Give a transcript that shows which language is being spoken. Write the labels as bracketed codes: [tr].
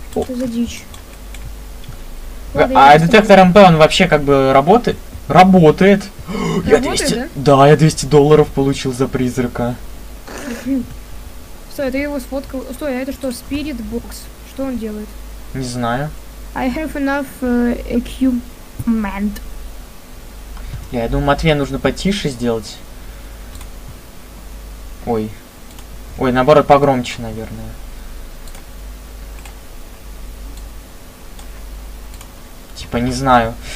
[ru] Что это за дичь? Ладно, детектор МП, он вообще как бы работает? Работает. Работает, 200... да? Да, я $200 получил за призрака. Стой, ты его сфоткал. Стой, а это что, Spirit Box? Что он делает? Не знаю. [en] I have enough equipment. [ru] Я думаю, Матвею нужно потише сделать. Ой. Ой, наоборот, погромче, наверное. Типа, не знаю.